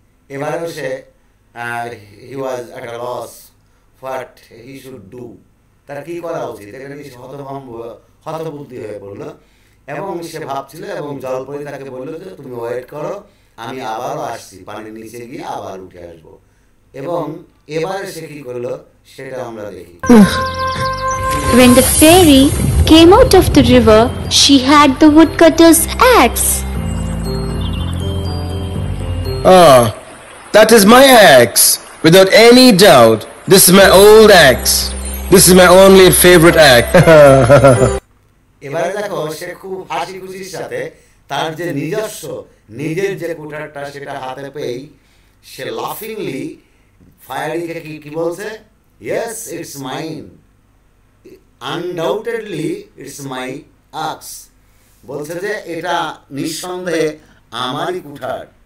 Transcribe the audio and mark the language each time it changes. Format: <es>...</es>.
<bn>এবারও সে</bn> <en>he was at a loss what he should do</en> <bn>তার কি করা উচিত এখানে সে হতভম্ব হতবুদ্ধি হয়ে পড়ল এবং সে ভাবছিল এবং জলপরী তাকে বলল যে তুমি ওয়েট করো আমি আবারও আসছি পানির নিচে গিয়ে আবার উঠে আসব এবং এবার সে কি করল সেটা আমরা দেখি</bn> <en>When the fairy came out of the river, she had the woodcutter's axe. Ah, that is my axe. Without any doubt, this is my old axe. This is my only favorite axe.</en> <bn>এবারে দেখো সে খুব হাসি খুশির সাথে তার যে নিজস্ব নিজের যে কুঠারটা সেটা হাতে পেয়েই সে লাফিংলি ফায়ারিকে কি বলছে</bn> <en>yes it's mine undoubtedly it's my axe</en> <bn>বলছে যে এটা নিঃসন্দেহে আমারই কুঠার</bn>